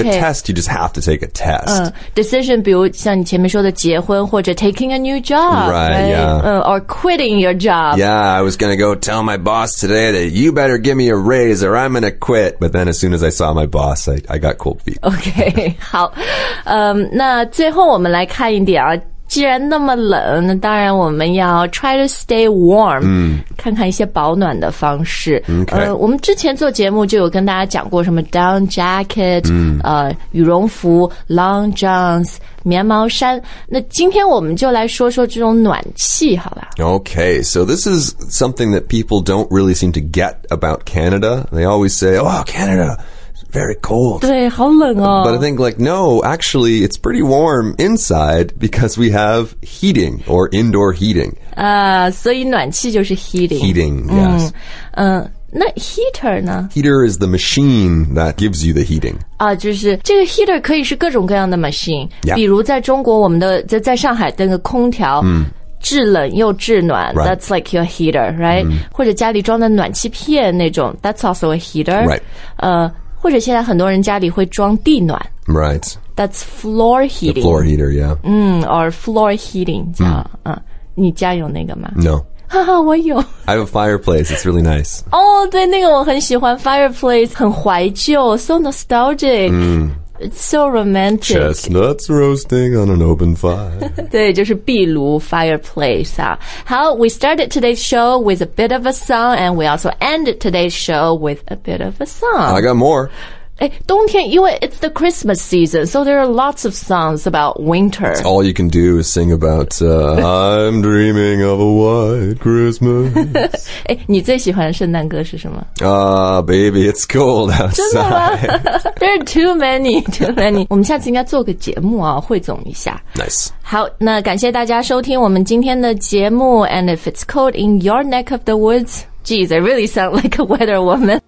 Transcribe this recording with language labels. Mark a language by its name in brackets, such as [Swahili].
[English] a test, you just have to take a test. [Chinese] Decision, 比如像你前面说的结婚或者 [English] taking a new job. Right, yeah. Or quitting your job. Yeah, I was going to go tell my boss today that you better give me a raise or I'm going to quit. But then as soon as I saw my boss, I got cold feet. Okay, 好。 [Chinese] 那最后我们来看一点啊。既然那么冷，那当然我们要 [English] try to stay warm， [Chinese] 看看一些保暖的方式。 [English] Okay. [Chinese] 我们之前做节目就有跟大家讲过什么 down jacket，羽绒服 long johns 棉毛衫。那今天我们就来说说这种暖气，好吧 [English] ？Okay, so this is something that people don't really seem to get about Canada. They always say, "Oh, Canada." Very cold. [Chinese] 对，好冷哦。 [English] But I think like, no, actually, it's pretty warm inside because we have heating or indoor heating. [Chinese] 所以暖气就是 heating. [English] Heating, yes. [Chinese] 那 heater 呢? [English] Heater is the machine that gives you the heating. [Chinese] 就是这个 heater 可以是各种各样的 machine. [English] Yeah. [Chinese] 比如在中国我们的在上海的那个空调。制冷又制暖 [English] right. That's like your heater, right? [Chinese] 或者家里装的暖气片那种 [English] That's also a heater. Right. [Chinese] 或者现在很多人家里会装地暖 [English] Right That's floor heating The floor heater, yeah Or floor heating [Chinese] 你家有那个吗 [English] No [Chinese] 哈哈，我有 [English] I have a fireplace, it's really nice [Chinese] 哦、oh, ，对，那个我很喜欢 Fireplace 很怀旧 [English] So nostalgic、It's so romantic Chestnuts roasting on an open fire [Chinese] 对，就是壁炉 Fireplace 啊。 [English] 好 We started today's show with a bit of a song And we also ended today's show with a bit of a song I got more [Chinese] 哎，冬天因为 [English] it's the Christmas season So there are lots of songs about winter、 That's、All you can do is sing about I'm dreaming of a white Christmas [Chinese] 哎，你最喜欢的圣诞歌是什么 [English] baby, it's cold outside [Chinese] 真的吗 [English] There are too many [Chinese] 我们下次应该做个节目啊，汇总一下 [English] Nice [Chinese] 好，那感谢大家收听我们今天的节目 [English] And if it's cold in your neck of the woods Geez, I really sound like a weather woman.